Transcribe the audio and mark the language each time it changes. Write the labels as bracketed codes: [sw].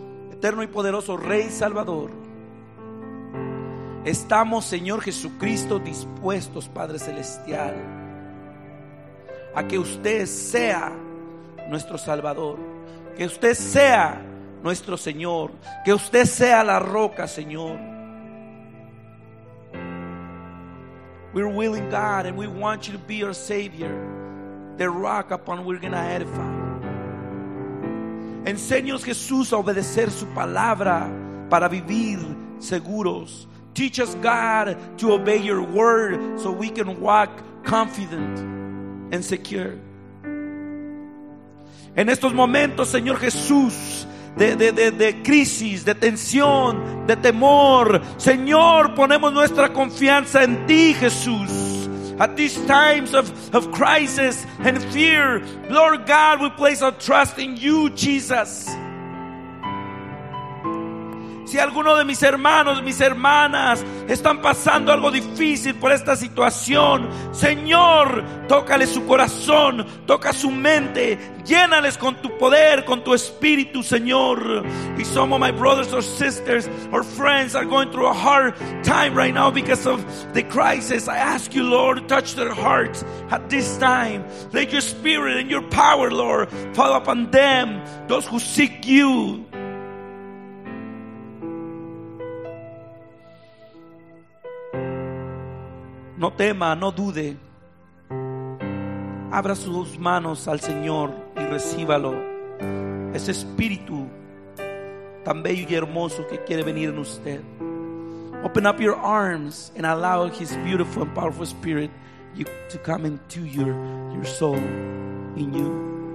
[es] Eterno y poderoso Rey Salvador, estamos, Señor Jesucristo, dispuestos, Padre Celestial, a que usted sea nuestro Salvador, que usted sea nuestro Señor, que usted sea la roca, Señor. [en] We're willing, God, and we want you to be our Savior, the rock upon we're going to edify. [es] Enséñanos, Jesús, a obedecer su palabra para vivir seguros. [en] Teach us, God, to obey your word so we can walk confident and secure. [es] En estos momentos, Señor Jesús, de crisis, de tensión, de temor, Señor, ponemos nuestra confianza en ti, Jesús. [en] At these times of crisis and fear, Lord God, we place our trust in you, Jesus. [es] Si alguno de mis hermanos, mis hermanas están pasando algo difícil por esta situación, Señor, tócale su corazón, toca su mente, llénales con tu poder, con tu espíritu, Señor. [en] Y some of my brothers or sisters or friends are going through a hard time right now because of the crisis. I ask you, Lord, touch their hearts at this time. Let your spirit and your power, Lord, fall upon them, those who seek you. [es] No tema, no dude. Abra sus manos al Señor y recíbalo. Ese espíritu tan bello y hermoso que quiere venir en usted. [en] Open up your arms and allow His beautiful and powerful spirit to come into your soul in you.